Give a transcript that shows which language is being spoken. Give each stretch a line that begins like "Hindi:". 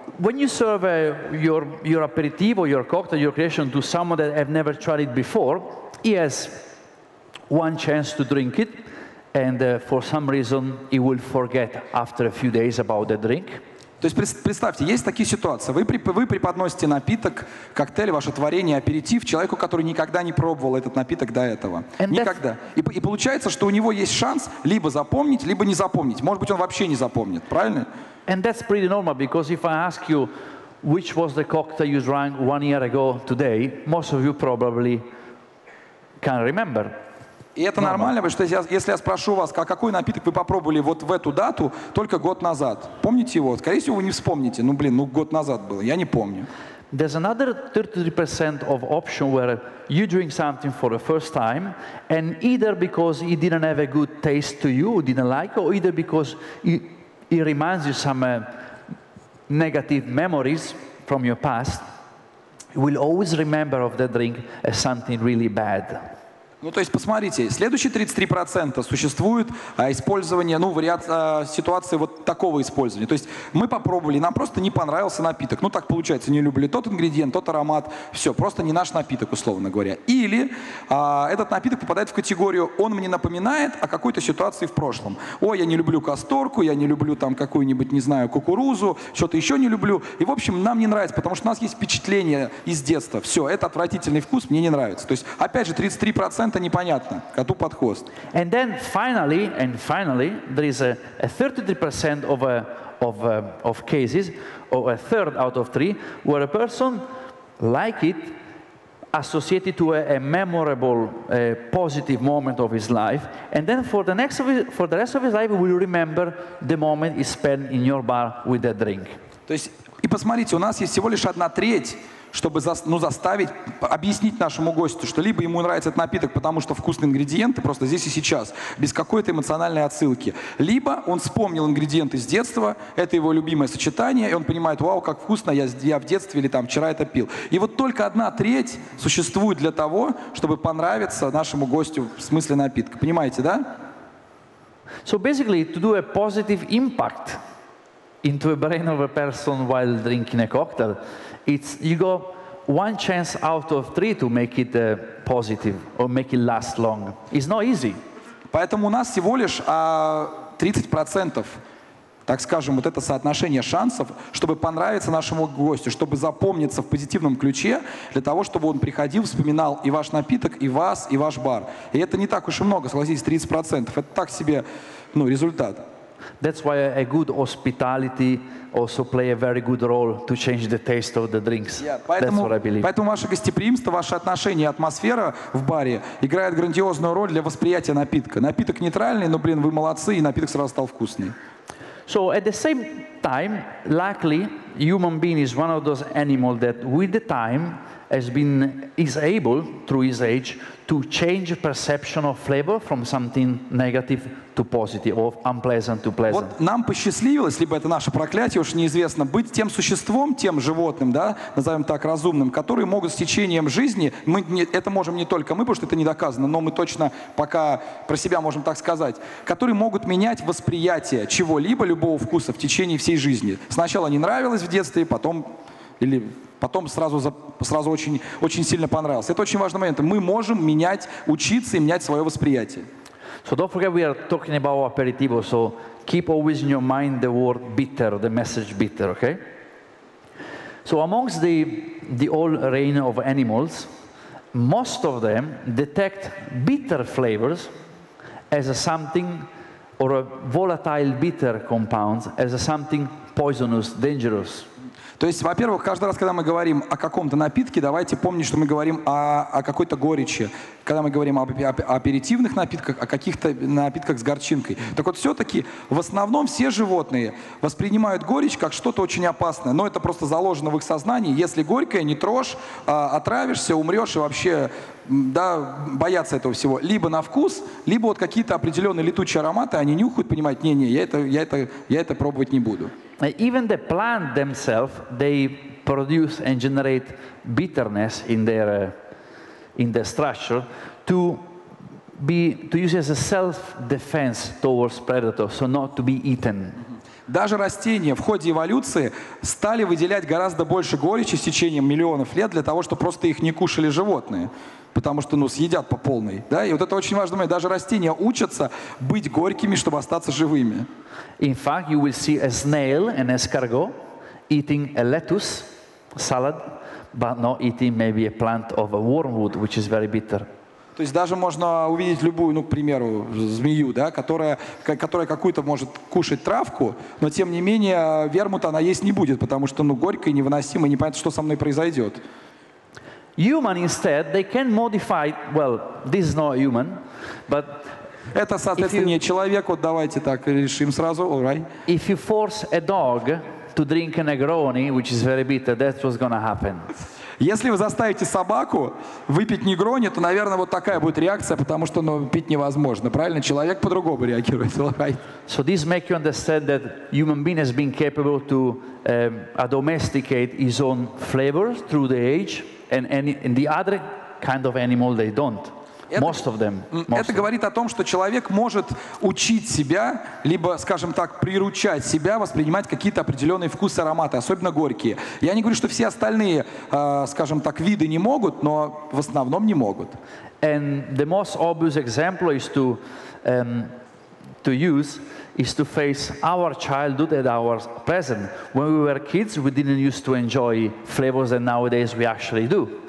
English: When you serve your aperitivo, your cocktail, your creation to someone that have never tried it before, he has one chance to drink it, and for some reason he will forget after a few days about the drink.
Russian: То есть представьте, есть такие ситуации. Вы преподносите напиток, коктейль, ваше творение, аперитив человеку, который никогда не пробовал этот напиток до этого.
English: And
Russian: никогда. И получается, что у него есть шанс либо запомнить, либо не запомнить. Может быть, он вообще не запомнит, правильно?
English: And that's pretty normal, because if I ask you which was the cocktail you drank 1 year ago today, most of you probably can't remember.
Russian: И это нормально, потому что если я спрошу вас, какой напиток вы попробовали вот в эту дату, только год назад, помните его? Скорее всего, вы не вспомните. Ну, блин, ну год назад было, я не помню.
English: There's another 33% of option where you drink something for the first time, and either because it didn't have a good taste to you, didn't like, or either because it reminds you some negative memories from your past, you will always remember of that drink as something really bad.
Russian: Ну, то есть, посмотрите, следующие 33% существует использование, ну, ситуации вот такого использования. То есть, мы попробовали, нам просто не понравился напиток. Ну, так получается, не любили тот ингредиент, тот аромат, все, просто не наш напиток, условно говоря. Или этот напиток попадает в категорию, он мне напоминает о какой-то ситуации в прошлом. Ой, я не люблю касторку, я не люблю там какую-нибудь, не знаю, кукурузу, что-то еще не люблю. И, в общем, нам не нравится, потому что у нас есть впечатление из детства. Все, это отвратительный вкус, мне не нравится. То есть, опять же, 33%. Непонятно. Коту под хвост.
English: And then finally, there is a 33% of cases, or a third out of three, where a person like it, associated to a memorable, positive moment of his life, and then for the rest of his life, will remember the moment he spent in your bar with that drink.
Russian: То есть, и посмотрите, у нас есть всего лишь одна треть. чтобы заставить, объяснить нашему гостю, что либо ему нравится этот напиток, потому что вкусные ингредиенты, просто здесь и сейчас, без какой-то эмоциональной отсылки. Либо он вспомнил ингредиенты с детства, это его любимое сочетание, и он понимает, вау, как вкусно, я в детстве или там вчера это пил. И вот только одна треть существует для того, чтобы понравиться нашему гостю в смысле напитка. Понимаете, да?
English: So basically, to do a positive impact into the brain of a person while drinking a cocktail, it's you go one chance out of three to make it positive or make it last long. It's not easy.
Russian: Поэтому у нас всего лишь 30%, так скажем, вот это соотношение шансов, чтобы понравиться нашему гостю, чтобы запомниться в позитивном ключе, для того, чтобы он приходил, вспоминал и ваш напиток, и вас, и ваш бар. И это не так уж и много, согласитесь, 30%. Это так себе, ну, результат.
English: That's why a good hospitality also play a very good role to change the taste of the drinks.
Russian: Поэтому,
English: That's what I believe.
Russian: Поэтому ваше гостеприимство, ваше отношение и атмосфера в баре играет грандиозную роль для восприятия напитка. Напиток нейтральный, но, блин, вы молодцы, и напиток сразу стал вкусный.
English: So at the same time, luckily, human being is one of those animals that with the time is able, through his age, to change perception of flavor from something negative to positive, or unpleasant to pleasant.
Russian: Вот нам посчастливилось, либо это наше проклятие, уж неизвестно, быть тем существом, тем животным, да, назовем так, разумным, которые могут с течением жизни, мы не, это можем не только мы, потому что это не доказано, но мы точно пока про себя можем так сказать, которые могут менять восприятие чего-либо, любого вкуса в течение всей жизни. Сначала не нравилось в детстве, потом... или потом сразу очень, очень сильно понравился. Это очень важный момент. Мы можем менять, учиться и менять свое восприятие.
English: So don't forget we are talking about aperitivo, so keep always in your mind the word bitter, the message bitter, okay? So amongst the whole range of animals, most of them detect bitter flavors as a something, or a volatile bitter compounds as a something poisonous, dangerous.
Russian: То есть, во-первых, каждый раз, когда мы говорим о каком-то напитке, давайте помнить, что мы говорим о какой-то горечи. Когда мы говорим о аперитивных напитках, о каких-то напитках с горчинкой. Так вот, все-таки, в основном все животные воспринимают горечь как что-то очень опасное. Но это просто заложено в их сознании. Если горькое, не трожь, отравишься, умрешь и вообще, да, боятся этого всего. Либо на вкус, либо вот какие-то определенные летучие ароматы, они нюхают, понимают, не-не, я это пробовать не буду.
English: Even the plant themselves, they produce and generate bitterness in their structure to use as a self-defense towards predators, so not to be eaten.
Russian: Даже растения в ходе эволюции стали выделять гораздо больше горечи с течением миллионов лет для того, чтобы просто их не кушали животные. Потому что, ну, съедят по полной, да? И вот это очень важно. Даже растения учатся быть горькими, чтобы остаться живыми.
English: In fact, you will see a snail, an escargot, eating a lettuce salad, but not eating maybe a plant of a wormwood, which is very bitter.
Russian: То есть даже можно увидеть любую, ну, к примеру, змею, да, которая какую-то может кушать травку, но тем не менее вермут она есть не будет, потому что, ну, горько и невыносимо, и не понятно, что со мной произойдет.
English: Human instead, they can modify. Well, this is not human, but.
Russian: Это, соответственно, не человек. Вот давайте так решим сразу.
English: All right. If you force a dog to drink a Negroni, which is very bitter, that's what's going to happen.
Russian: Если вы заставите собаку выпить Негрони, то, наверное, вот такая будет реакция, потому что, ну, пить невозможно, правильно? Человек по-другому реагирует.
English: Right. So this makes you understand that human being has been capable to domesticate his own flavors through the age. And the other kind of animal they don't. Most of them.
Russian: Это говорит о том, что человек может учить себя, либо, скажем так, приручать себя воспринимать какие-то определенные вкусы, ароматы, особенно горькие. Я не говорю, что все остальные, скажем так, виды не могут, но в основном не могут.
English: And the most obvious example is to face our childhood and our present. When we were kids, we didn't used to enjoy flavors, and nowadays we actually do.